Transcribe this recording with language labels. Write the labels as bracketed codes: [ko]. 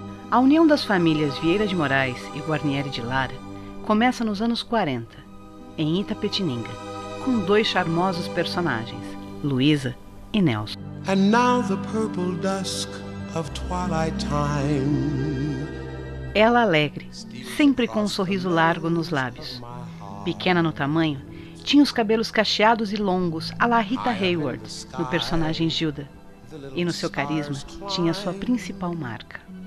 [pt] A união das famílias Vieira de Moraes e Guarnieri de Lara começa nos anos 40, em Itapetininga, com dois charmosos personagens, Luísa e Nelson. [en] And now the purple dusk of twilight time. [pt] Ela alegre, sempre com um sorriso largo nos lábios. Pequena no tamanho, tinha os cabelos cacheados e longos, à la Rita Hayworth, no personagem Gilda. E no seu carisma, tinha sua principal marca.